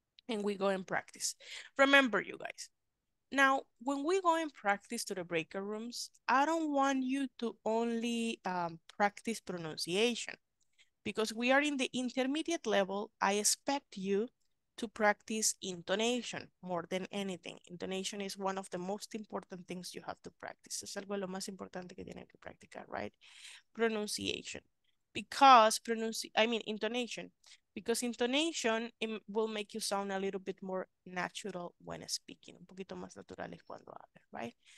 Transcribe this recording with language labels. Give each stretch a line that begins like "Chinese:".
English: And we go and practice. Remember, you guys. Now, when we go and practice to the breaker rooms, I don't want you to only practice pronunciation. Because we are in the intermediate level, I expect you to practice intonation more than anything. Intonation is one of the most important things you have to practice.
Spanish: Es algo lo más importante que tienen que practicar, right?
English: Pronunciation. Because intonation. Because intonation will make you sound a little bit more natural when speaking.
Spanish: Un poquito más natural es cuando hablas, right?